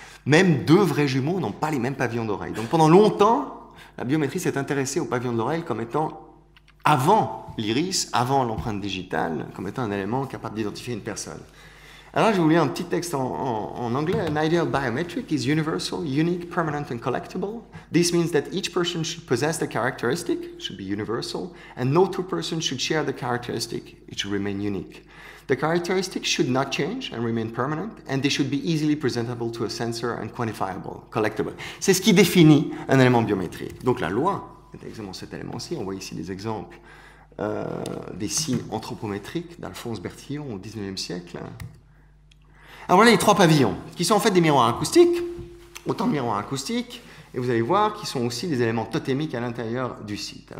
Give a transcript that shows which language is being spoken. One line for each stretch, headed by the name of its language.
French: Même deux vrais jumeaux n'ont pas les mêmes pavillons d'oreille. Donc pendant longtemps, la biométrie s'est intéressée au pavillon de l'oreille comme étant avant l'iris, avant l'empreinte digitale, comme étant un élément capable d'identifier une personne. Alors je vous lis un petit texte en anglais.
English: An idea of biometric is universal, unique, permanent and collectible. This means that each person should possess the characteristic, should be universal, and no two persons should share the characteristic, it should remain unique. The characteristics should not change and remain permanent, and they should be easily presentable to a sensor and quantifiable, collectible.
French: C'est ce qui définit un élément biométrique. Donc la loi est exactement cet élément-ci. On voit ici des exemples des signes anthropométriques d'Alphonse Bertillon au 19e siècle. Alors voilà les trois pavillons, qui sont en fait des miroirs acoustiques, autant de miroirs acoustiques, et vous allez voir qu'ils sont aussi des éléments totémiques à l'intérieur du site.